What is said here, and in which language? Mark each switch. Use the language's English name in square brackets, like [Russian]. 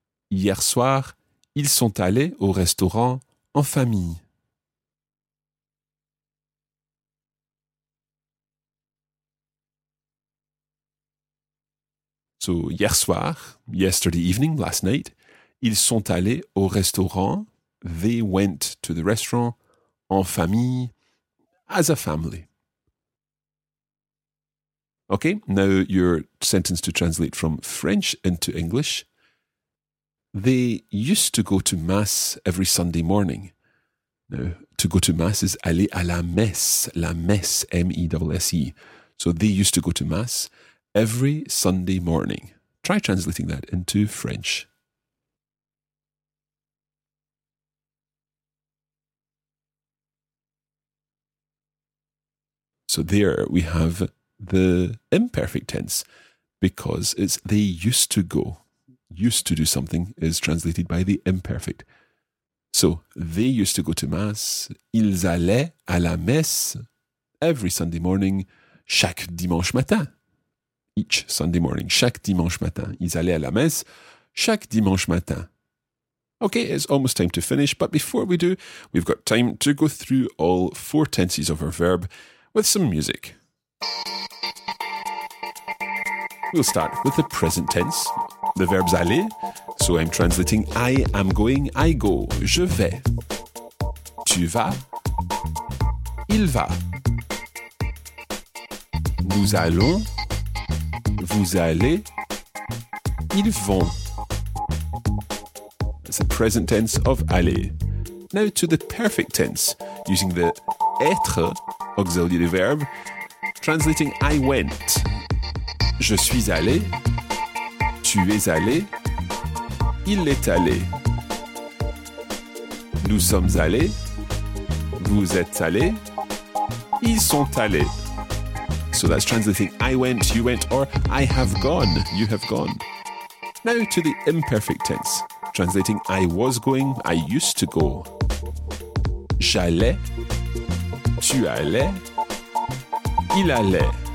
[French] Hier soir, ils sont allés au restaurant en famille. [English] So, [French] hier soir, [English] yesterday evening, last night, [French] ils sont allés au restaurant. [English] They went to the restaurant [French] en famille, [English] as a family. Okay, now your sentence to translate from French into English. They used to go to mass every Sunday morning. Now, to go to mass is [French] aller à la messe, la messe, [English] M-E-S-S-E. So they used to go to mass every Sunday morning. Try translating that into French. So there we have the imperfect tense, because it's they used to go. Used to do something is translated by the imperfect. So, they used to go to mass. [French] Ils allaient à la messe [English] every Sunday morning, [French] chaque dimanche matin. [English] Each Sunday morning, [French] chaque dimanche matin. Ils allaient à la messe chaque dimanche matin. [English] Okay, it's almost time to finish, but before we do, we've got time to go through all four tenses of our verb with some music. We'll start with the present tense. The verb's aller, so I'm translating I am going, I go, [French] je vais. Tu vas, il va. Nous allons, vous allez, ils vont. [English] That's the present tense of aller. Now to the perfect tense, using the être auxiliary verb, translating I went. [French] Je suis allé. Tu es allé, il est allé. Nous sommes allés, vous êtes allés, ils sont allés. [English] So that's translating I went, you went, or I have gone, you have gone. Now to the imperfect tense, translating I was going, I used to go. [French] J'allais, tu allais, il allait.